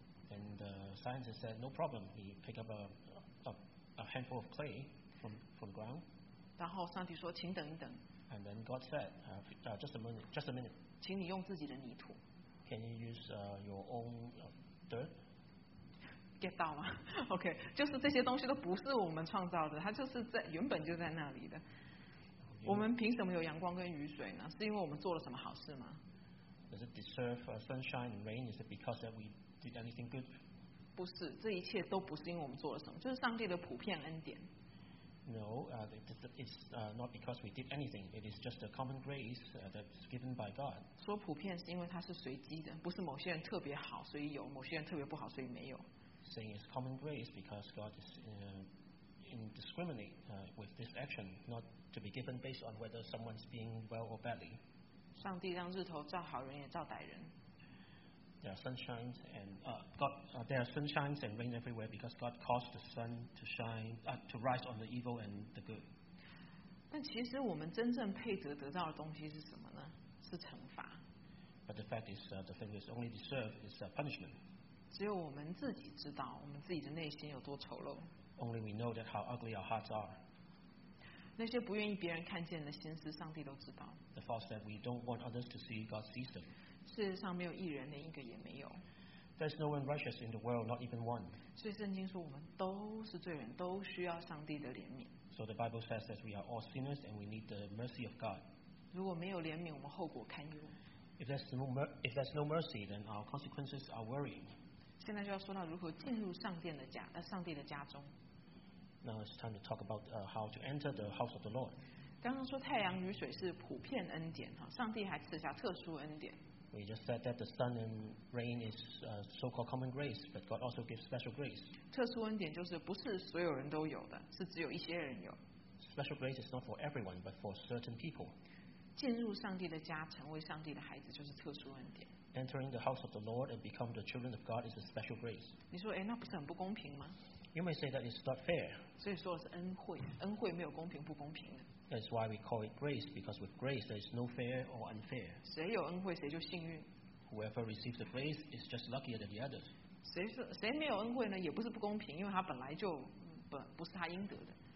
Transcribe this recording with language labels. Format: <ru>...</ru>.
<en>And the scientist said, "No problem." He picked up a handful of clay from the ground.</en> <zh>然后上帝说，请等一等。</zh> <en>And then God said, "Just a minute."</en> <zh>请你用自己的泥土。</zh> <en>Can you use your own dirt?</en> <zh>Get 到吗 ？OK， 就是这些东西都不是我们创造的，它就是在原本就在那里的。我们凭什么有阳光跟雨水呢？是因为我们做了什么好事吗？</zh> <en>Does it deserve sunshine and rain? Is it because that we did anything good?</en> <zh>不是，这一切都不是因为我们做了什么，就是上帝的普遍恩典。</zh> <en>No, it's not because we did anything. It is just a common grace that's given by God.</en> <zh>说普遍是因为它是随机的，不是某些人特别好所以有，某些人特别不好所以没有。</zh> <en>Saying it's common grace because God is indiscriminate with this action, not to be given based on whether someone's being well or badly.</en> <zh>上帝让日头照好人也照歹人。</zh> <en>There are sunshines and rain everywhere because God caused the sun to shine to rise on the evil and the good.</en> <zh>但其实我们真正配得得到的东西是什么呢？是惩罚。</zh> <en>But the fact is, the thing we only deserve is punishment.</en> <zh>只有我们自己知道我们自己的内心有多丑陋。</zh> <en>Only we know that how ugly our hearts are.</en> <zh>那些不愿意别人看见的心思，上帝都知道。</zh> <en>The thoughts that we don't want others to see, God sees them.</en> <zh>世界上没有义人，连一个也没有。</zh> <en>There's no one righteous in the world, not even one.</en> <zh>所以圣经说，我们都是罪人，都需要上帝的怜悯。</zh> <en>So the Bible says that we are all sinners and we need the mercy of God.</en> <zh>如果没有怜悯，我们后果堪忧。</zh> <en>If there's no mercy, then our consequences are worrying.</en> <zh>现在就要说到如何进入上帝的家中。</zh> <en>Now it's time to talk about how to enter the house of the Lord.</en> <zh>刚刚说太阳雨水是普遍恩典，上帝还赐下特殊恩典。</zh> <en>We just said that the sun and rain is so-called common grace, but God also gives special grace.</en> <zh>特殊恩典就是不是所有人都有的，是只有一些人有。</zh> <en>Special grace is not for everyone, but for certain people.</en> <zh>进入上帝的家，成为上帝的孩子，就是特殊恩典。</zh> <en>Entering the house of the Lord and become the children of God is a special grace.</en> <zh>你说，哎，那不是很不公平吗？</zh> <en>You may say that it's not fair.</en> <zh>所以说的是恩惠，恩惠没有公平不公平的。</zh> <en>That's why we call it grace, because with grace there is no fair or unfair.</en> <zh>谁有恩惠谁就幸运。</zh> <en>whoever receives the grace is just luckier than the others.</en> <zh>谁没有恩惠呢？也不是不公平，因为他本来就不是他应得的。</zh>